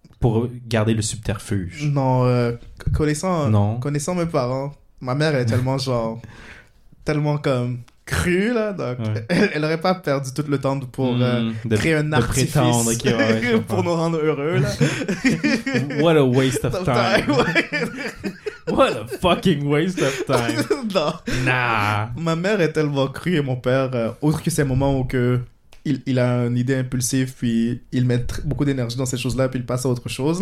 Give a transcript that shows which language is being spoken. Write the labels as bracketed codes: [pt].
[fr] Pour garder le subterfuge. Non, connaissant mes parents, ma mère est tellement genre, tellement comme crue là, donc elle aurait pas perdu tout le temps pour créer un artifice prétendre, okay, ouais, pour nous rendre heureux là. [en] What a waste of time. What a fucking waste of time. [fr] Non. Nah. Ma mère est tellement crue et mon père, autre que ces moments où que. Il a une idée impulsive, puis il met beaucoup d'énergie dans ces choses-là, puis il passe à autre chose.